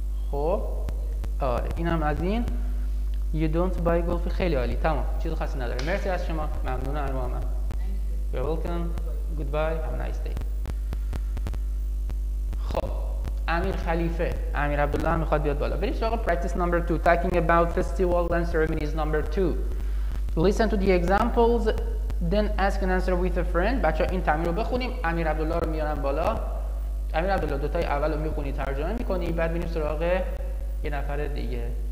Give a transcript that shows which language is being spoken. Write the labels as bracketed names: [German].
[Persian] خب آره، اینم از این. [English] You don't buy golf. [Persian] خیلی عالی، تمام، چیزو خاصی نداره. مرسی از شما، ممنونم ارمان. [English] You're welcome. Goodbye. Have a nice day. [Persian] خب امیر خلیفه، امیر عبدالله هم میخواد بیاد بالا. بریم سراغ [English] practice number 2. Talking about festivals and ceremonies number 2. Listen to the examples, then ask and answer with a friend. [Persian] بچه ها این تمرین رو بخونیم، امیر عبدالله رو میارم بالا. امیر عبدالله دوتای اول رو میخونی، ترجمه میکنی، بعد بریم سراغ یه نفر دیگه.